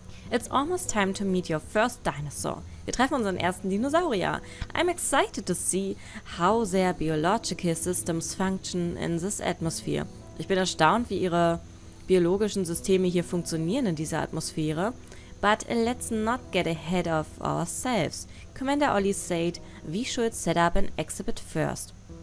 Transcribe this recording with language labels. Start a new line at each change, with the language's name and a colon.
English: It's almost time to meet your first dinosaur.
German: Wir treffen unseren ersten Dinosaurier.
English: I'm excited to see how their biological systems function in this atmosphere.
German: Ich bin erstaunt, wie ihre biologischen Systeme hier funktionieren in dieser Atmosphäre.
English: But let's not get ahead of ourselves. Commander Olli said, we should set up an exhibit first.